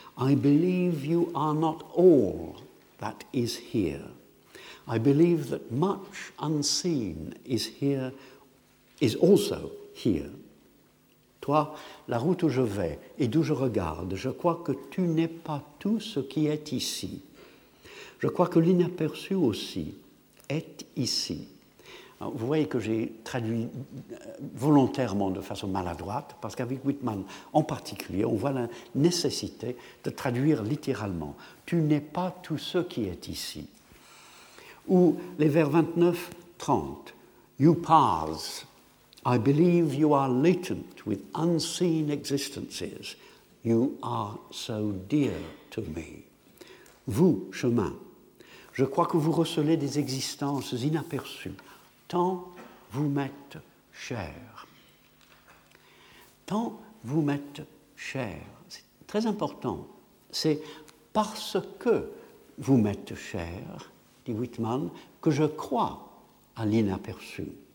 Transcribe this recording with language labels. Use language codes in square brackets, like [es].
[en] I believe you are not all that is here. I believe that much unseen is here, is also here. [fr] Toi, la route où je vais et d'où je regarde, je crois que tu n'es pas tout ce qui est ici. Je crois que l'inaperçu aussi est ici. Alors, vous voyez que j'ai traduit volontairement de façon maladroite, parce qu'avec Whitman en particulier, on voit la nécessité de traduire littéralement. Tu n'es pas tout ce qui est ici. Ou les vers 29-30. [en] You pass. I believe you are latent with unseen existences. You are so dear to me. [fr] Vous, chemin, je crois que vous recelez des existences inaperçues, tant vous m'êtes cher. Tant vous m'êtes cher, c'est très important, c'est parce que vous m'êtes cher, dit Whitman, que je crois à l'inaperçu.